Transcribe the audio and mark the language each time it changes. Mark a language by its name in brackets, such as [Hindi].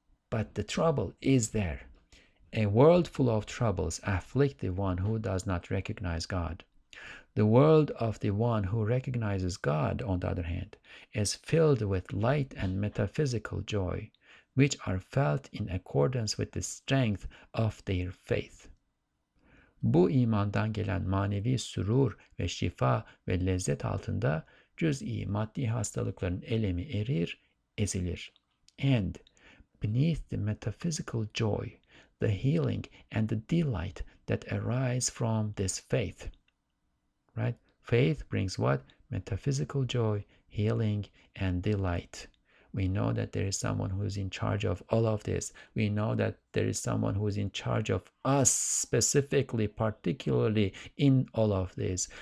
[English] But the trouble is there. A world full of troubles afflict the one who does not recognize God. The world of the one who recognizes God, on the other hand, is filled with light and metaphysical joy, which are felt in accordance with the strength of their faith. [Turkish] Bu imandan gelen manevi sürur ve şifa ve lezzet altında cüz'i maddi hastalıkların elemi erir, ezilir. [English] And beneath the metaphysical joy, the healing and the delight that arise from this faith. Right? Faith brings what? Metaphysical joy, healing, and delight. We know that there is someone who is in charge of all of this. We know that there is someone who is in charge of us specifically, particularly in all of this.